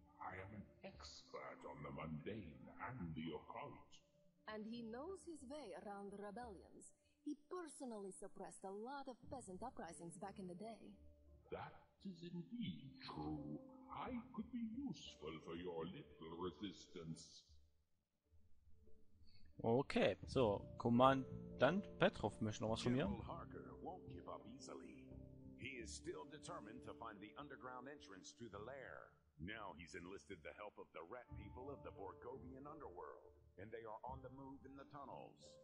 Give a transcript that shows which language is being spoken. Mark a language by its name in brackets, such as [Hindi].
[English] I am an expert on the mundane and the occult. And he knows his way around the rebellions. He personally suppressed a lot of peasant uprisings back in the day. That is indeed true. I could be useful for your little resistance. [German] Okay, so, Kommandant Petrov möchte noch was von mir. [English] General Harker won't give up easily. He is still determined to find the underground entrance to the lair. Now he's enlisted the help of the rat people of the Borgovian underworld. And they are on the move in the tunnels.